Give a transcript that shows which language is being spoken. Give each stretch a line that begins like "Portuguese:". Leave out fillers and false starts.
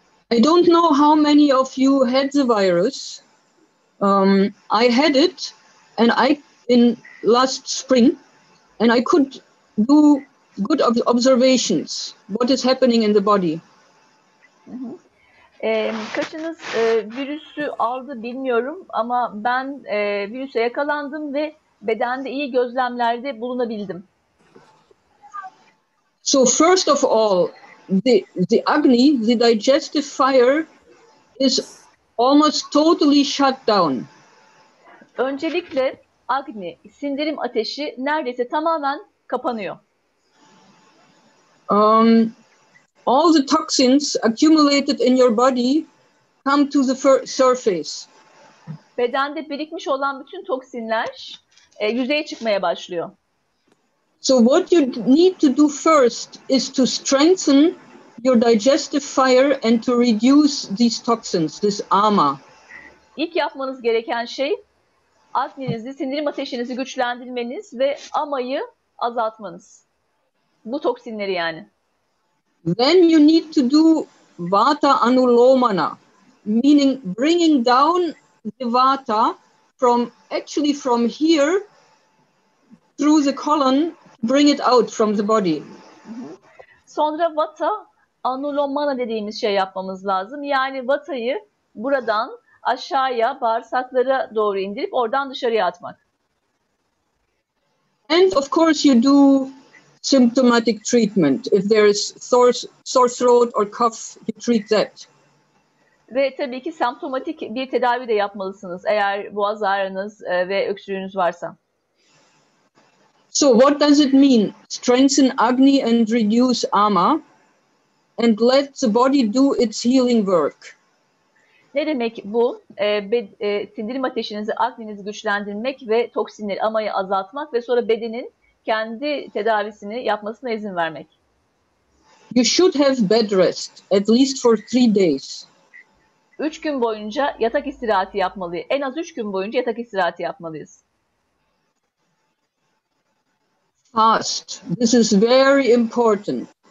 English: I don't know how many of you had the virus. I had it and I in last spring and I could do good observations what is happening in the body.
Turkish: Kaçınız virüsü aldı bilmiyorum ama ben virüse yakalandım ve bedende iyi gözlemlerde bulunabildim.
English: So first of all, the agni, the digestive fire is almost totally shut down.
Turkish: Öncelikle agni, sindirim ateşi neredeyse tamamen kapanıyor.
English: All the toxins accumulated in your body come to the surface.
Turkish: Bedende birikmiş olan bütün toksinler yüzeye çıkmaya başlıyor.
English: So what you need to do first is to strengthen your digestive fire and to reduce these toxins, this ama.
Turkish: İlk yapmanız gereken şey akninizi, sindirim ateşinizi güçlendirmeniz ve amayı azaltmanız. Bu toksinleri yani.
English: Then you need to do vata anulomana, meaning bringing down the vata from here through the colon, bring it out from the body.
Turkish: Sonra vata anulomana dediğimiz şey yapmamız lazım. Yani vatayı buradan aşağıya bağırsaklara doğru indirip oradan dışarıya atmak.
English: And of course you do symptomatic treatment. If there is sore throat or cough, you treat that.
Turkish: Ve tabii ki semptomatik bir tedavi de yapmalısınız eğer boğaz ağrınız ve öksürüğünüz varsa.
English: So what does it mean? Strengthen Agni and reduce Ama and let the body do its healing work.
Turkish: Ne demek bu? Sindirim ateşinizi, agninizi güçlendirmek ve toksinleri, amayı azaltmak ve sonra bedenin kendi tedavisini yapmasına izin vermek.
English: You should have bed rest at least for 3 days.
Turkish: 3 gün boyunca yatak istirahati yapmalıyız. En az 3 gün boyunca yatak istirahati yapmalıyız.
English: Fast. This is very important.